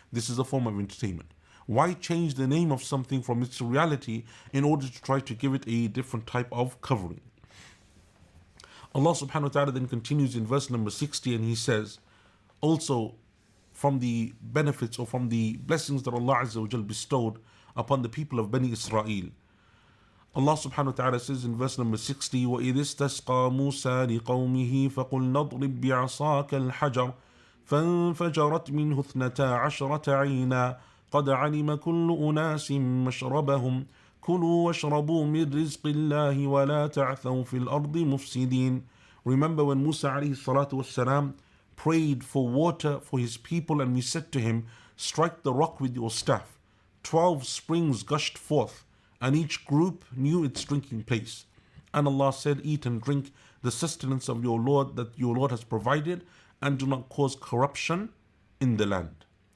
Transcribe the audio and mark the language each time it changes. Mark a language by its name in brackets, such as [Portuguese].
[English] This is a form of entertainment. Why change the name of something from its reality in order to try to give it a different type of covering? Allah subhanahu wa ta'ala then continues in verse number 60 and he says, also from the benefits or from the blessings that Allah azza wa jal bestowed upon the people of Bani Israel, Allah subhanahu wa ta'ala says in verse number 60, [Arabic] وَإِذِ اسْتَسْقَى مُوسَى لِقَوْمِهِ فَقُلْ نَضْرِبْ بِعَصَاكَ الْحَجَرَ فَانْفَجَرَتْ مِنْهُ اثْنَتَا عَشْرَةَ عَيْنًا قَدْ عَلِمَ كُلُّ أُنَاسٍ مَشْرَبَهُمْ كُلُوا وَاشْرَبُوا مِنْ رِزْقِ اللَّهِ وَلَا تَعْثَوْا فِي الْأَرْضِ مُفْسِدِينَ. [English] Remember when Musa alayhi salatu wassalam prayed for water for his people, and we said to him, strike the rock with your staff. 12 springs gushed forth, and each group knew its drinking place. And Allah said, eat and drink the sustenance of your Lord that your Lord has provided, and do not cause corruption in the land.